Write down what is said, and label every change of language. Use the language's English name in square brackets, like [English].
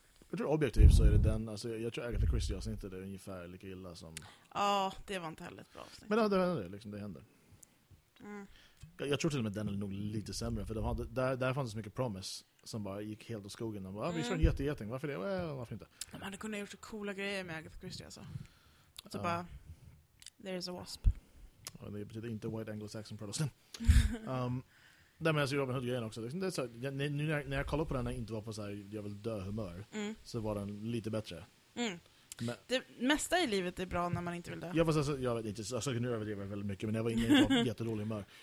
[Swedish] Jag tror objektivt så är det den... Alltså, jag tror Agatha Christie-avsnittet är ungefär lika illa som... Ja, det var inte heller ett bra avsnitt. Men det händer, liksom, det händer. Mm. Jag tror till och med den är nog lite sämre. För där fanns det så mycket promise. Som bara gick helt åt skogen. De bara, vi kör en jätte-geting. Varför det? Varför inte? De hade kunnat gjort så coola grejer med Agatha Christie. Alltså. Och så bara, [English] there is a wasp. [Swedish] Och det betyder inte [English] white anglo-saxon protestant. [Swedish] Där med Robin Hood-grejen också. Det är så, nu när jag kollade på den när jag inte var på så här, jag vill dö humör. Mm. Så var den lite bättre. Mm. Men, det mesta i livet är bra när man inte vill dö. Jag vet inte, nu överdriver jag väldigt mycket. Men jag var inne i jättedålig humör.